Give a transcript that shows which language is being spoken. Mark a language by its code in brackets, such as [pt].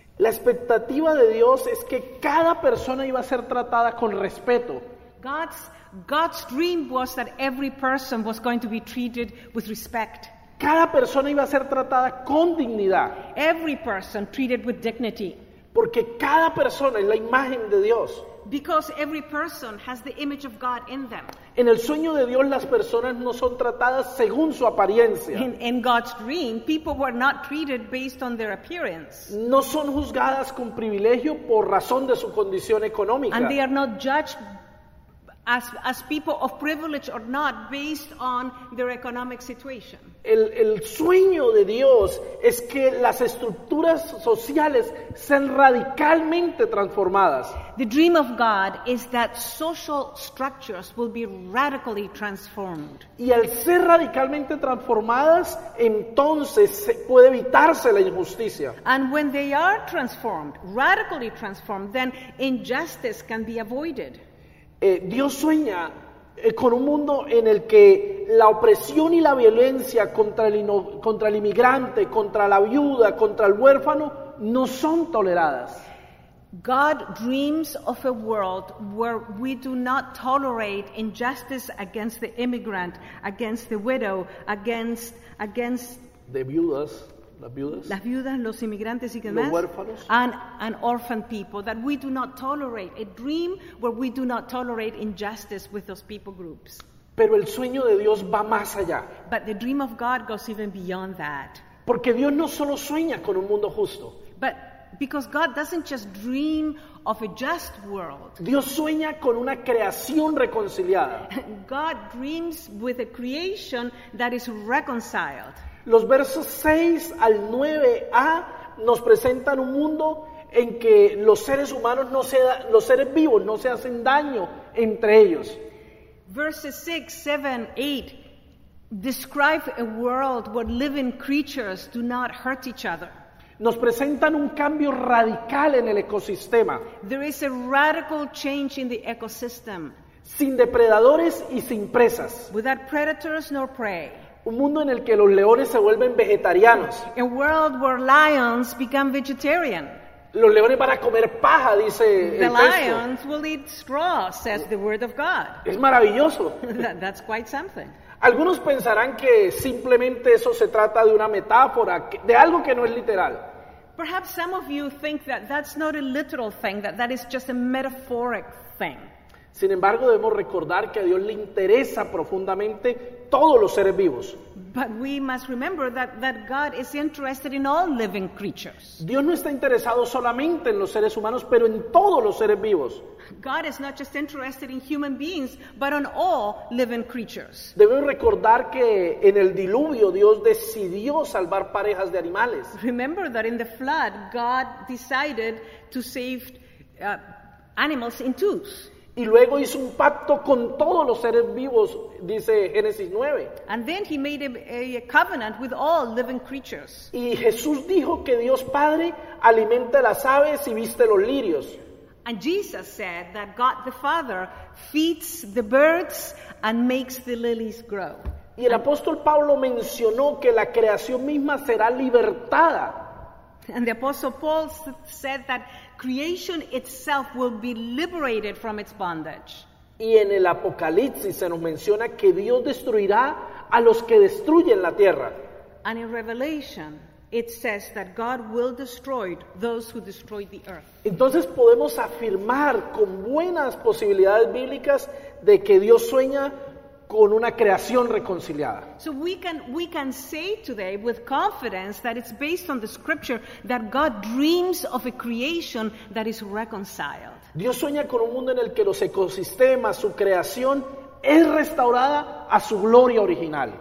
[es] La expectativa de Dios es que cada persona iba a ser tratada con respeto. [en] God's dream was that every person was going to be treated with respect. [es] Cada persona iba a ser tratada con dignidad. [en] Every person treated with dignity. [es] Porque cada persona es la imagen de Dios. [en] Because every person has the image of God in them. [es] En el sueño de Dios las personas no son tratadas según su apariencia. [en] In God's dream, people were not treated based on their appearance. [es] No son juzgadas con privilegio por razón de su condición económica. [en] And they are not judged as people of privilege or not based on their economic situation. [es] El sueño de Dios es que las estructuras sociales sean radicalmente transformadas. [en] The dream of God is that social structures will be radically transformed. [es] Y al ser radicalmente transformadas, entonces se puede evitarse la injusticia. [en] And when they are transformed, radically transformed, then injustice can be avoided. [es] Dios sueña con un mundo en el que la opresión y la violencia contra el inmigrante, contra la viuda, contra el huérfano, no son toleradas. [en] God dreams of a world where we do not tolerate injustice against the immigrant, against the widow, against [es] the viudas. Las viudas. Las viudas, los inmigrantes y demás. Los huérfanos. [en] And orphan people that we do not tolerate. A dream where we do not tolerate injustice with those people groups. [es] Pero el sueño de Dios va más allá. [en] But the dream of God goes even beyond that. [es] Porque Dios no solo sueña con un mundo justo. [en] But because God doesn't just dream of a just world. [es] Dios sueña con una creación reconciliada. [en] God dreams with a creation that is reconciled. [es] Los versos 6 al 9a nos presentan un mundo en que los seres humanos no se da, los seres vivos no se hacen daño entre ellos. [en] Verses 6, 7, 8 describe a world where living creatures do not hurt each other. [es] Nos presentan un cambio radical en el ecosistema. [en] There is a radical change in the ecosystem. [es] Sin depredadores y sin presas. [en] Without predators nor prey. [es] Un mundo en el que los leones se vuelven vegetarianos. [en] A world where lions become vegetarian. [es] Los leones van a comer paja, dice [en] the [es] el texto. [en] The lions will eat straw, says the word of God. [es] Es maravilloso. [en] That's quite something. [es] Algunos pensarán que simplemente eso se trata de una metáfora, de algo que no es literal. [en] Perhaps some of you think that that's not a literal thing, that that is just a metaphoric thing. [es] Sin embargo, debemos recordar que a Dios le interesa profundamente todos los seres vivos. [en] But we must remember that God is interested in all living creatures. [es] Dios no está interesado solamente en los seres humanos, pero en todos los seres vivos. [en] God is not just interested in human beings, but on all living creatures. [es] Debemos recordar que en el diluvio Dios decidió salvar parejas de animales. [en] Remember that in the flood, God decided to save animals in twos. [es] Y luego hizo un pacto con todos los seres vivos, dice Génesis 9. [en] And then he made a covenant with all living creatures. [es] Y Jesús dijo que Dios Padre alimenta las aves y viste los lirios. [en] And Jesus said that God the Father feeds the birds and makes the lilies grow. [es] Y el apóstol Pablo mencionó que la creación misma será libertada. [en] And the apostle Paul said that creation itself will be liberated from its bondage. [es] Y en el Apocalipsis se nos menciona que Dios destruirá a los que destruyen la tierra. [en] And in Revelation, it says that God will destroy those who destroy the earth. [es] Entonces podemos afirmar con buenas posibilidades bíblicas de que Dios sueña con una creación reconciliada. [en] So we can say today with confidence that it's based on the scripture that God dreams of a creation that is reconciled. [es] Dios sueña con un mundo en el que los ecosistemas, su creación, es restaurada a su gloria original.